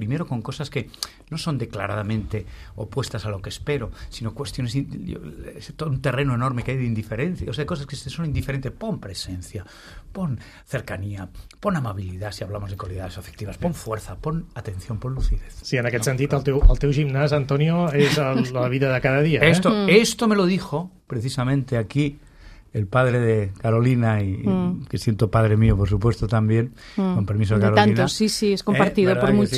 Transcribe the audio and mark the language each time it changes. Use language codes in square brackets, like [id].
[es] Primero con cosas que no son declaradamente opuestas a lo que espero, sino cuestiones, todo un terreno enorme que hay de indiferencia. O sea, cosas que son indiferentes. Pon presencia, pon cercanía, pon amabilidad, si hablamos de cualidades afectivas, pon fuerza, pon atención, pon lucidez. [ca] Sí, en aquest sentit, el teu gimnàs, Antonio, és la vida de cada dia. [es] Esto me lo dijo... precisamente aquí, el padre de Carolina, y que siento padre mío, por supuesto, también, con permiso de Carolina. Tanto, sí, es compartido por muchos.